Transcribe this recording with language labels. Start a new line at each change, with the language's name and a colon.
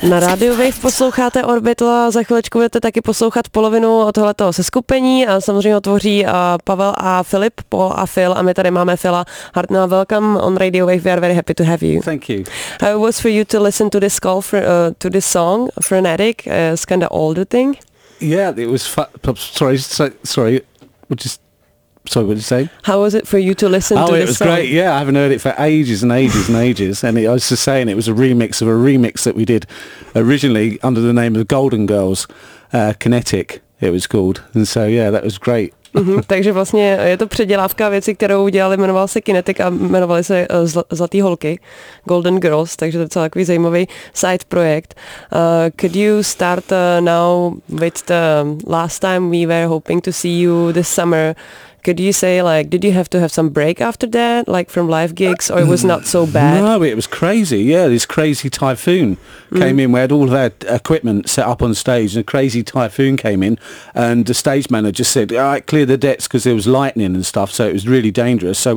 Czech: Na Rádiu Wave posloucháte Orbit a za chvíličku budete taky poslouchat polovinu tohoto seskupení. A samozřejmě ho tvoří Pavel a Filip, Paul a Phil, a my tady máme Phila Hartnera.
English: Welcome on Radio Wave. We are very happy to have you. Thank you. How it was for you to listen to this call, to this song, Frenetic, it's kind of older thing? Yeah, it was what did you say? How was it for you to listen to this song? Oh, it was great, yeah. I haven't heard it for ages and ages and ages. And I was just saying it was a remix of a remix that we did originally under the name of Golden Girls, Kinetic, it was called. And so, yeah, that was great.
Czech: Takže vlastně je to předělávka věci, kterou udělali, jmenoval se Kinetic a jmenovali se Zlatý holky, Golden Girls, takže to je celkově zajímavý side project.
English: Could you start now with the last time we were hoping to see you this summer? Could you say, like, did you have to have some break after that, like from live gigs, or it was not so bad? No, it was crazy. Yeah, this crazy typhoon came in. We had all of our equipment set up on stage, and a crazy typhoon came in, and the stage manager said, all right, clear the decks, because there was lightning and stuff, so it was really dangerous.